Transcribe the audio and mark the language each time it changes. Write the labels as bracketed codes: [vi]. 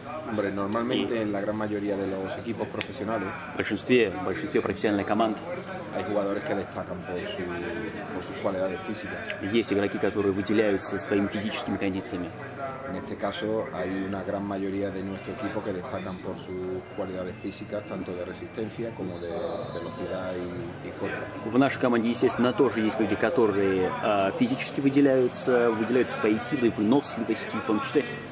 [es] Hombre, normalmente en la gran mayoría de los equipos profesionales. [ru] В большинстве профессиональных команд. [es] Hay jugadores que destacan por sus cualidades físicas. [ru] Есть игроки, которые выделяются своими физическими кондициями. [es] En este caso hay una gran mayoría de nuestro equipo que destacan por sus cualidades físicas, tanto de resistencia como de velocidad y fuerza. [ru] В нашей команде, естественно, тоже есть люди, которые физически выделяются своей силой, выносливостью, в том числе.